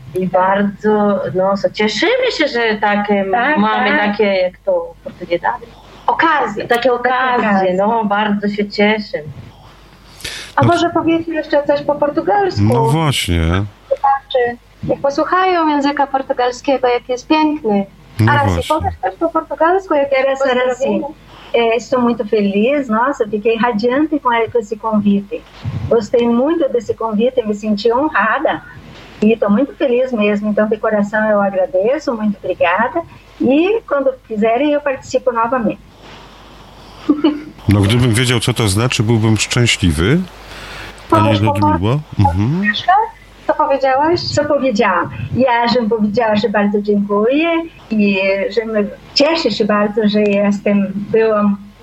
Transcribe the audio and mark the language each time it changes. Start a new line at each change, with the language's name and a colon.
Polish: I bardzo, no, cieszymy się, że takie mamy takie, jak to nie dali. Okazje. Takie okazje, no, bardzo się cieszę. A może powiedzmy jeszcze coś po portugalsku? No właśnie. Jak posłuchają języka portugalskiego, jak jest piękny. No Arasi, powiesz też po portugalsku, jak teraz Arasi.
Portuguese: Estou muito feliz, nossa, fiquei radiante com esse convite. Gostei muito desse convite, me senti honrada. E estou muito feliz mesmo, então de coração eu agradeço, muito obrigada. E quando quiserem eu participo novamente.
Polish: No, gdybym wiedział, co to znaczy, byłbym szczęśliwy. Pani Ludmiła. Co powiedziałaś? Co powiedziałam? Ja, żebym powiedziała, że bardzo dziękuję i że cieszę się bardzo, że jestem, byłam